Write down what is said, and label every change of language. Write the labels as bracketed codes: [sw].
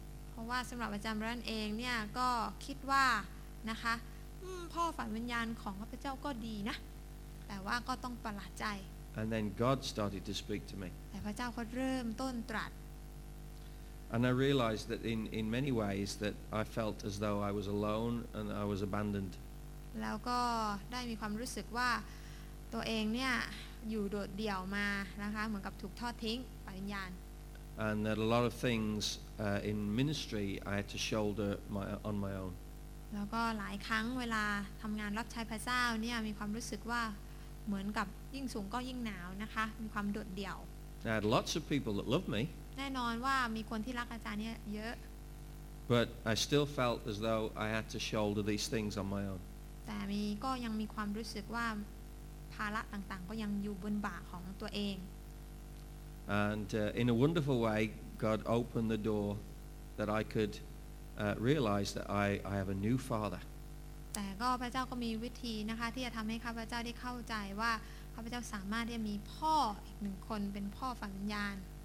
[th] เพราะว่าสำหรับอาจารย์บรันเองเนี่ยก็คิดว่านะคะพ่อฝ่ายวิญญาณของข้าพเจ้าก็ดีนะแต่ว่าก็ต้องประหลาดใจ [en] And then God started to speak to me [th] แต่พระเจ้าก็เริ่มต้นตรัส [en] And I realized that in many ways that I felt as though I was alone and I was abandoned. [th] แล้วก็ได้มีความรู้สึกว่าตัวเองเนี่ยอยู่โดดเดี่ยวมานะคะเหมือนกับถูกทอดทิ้งไปวิญญาณ [en] And that a lot of things in ministry I had to shoulder on my own. [th] แล้วก็หลายครั้งเวลาทำงานรับใช้พระเจ้าเนี่ยมีความรู้สึกว่าเหมือนกับยิ่งสูงก็ยิ่งหนาวนะคะมีความโดดเดี่ยว [en] I had lots of people that loved me. [th] แน่นอนว่ามีคนที่รักอาจารย์เนี่ยเยอะ [en] But I still felt as though I had to shoulder these things on my own [th] แต่มีก็ยังมีความรู้สึกว่าภาระต่างๆก็ยังอยู่บนบ่าของตัวเอง [en] And in a wonderful way God opened the door that I could realize that I have a new father [th] แต่ก็พระเจ้าก็มีวิธีนะคะที่จะทำให้ข้าพเจ้าได้เข้าใจว่าข้าพเจ้าสามารถที่จะมีพ่ออีกหนึ่งคนเป็นพ่อฝ่ายวิญญาณ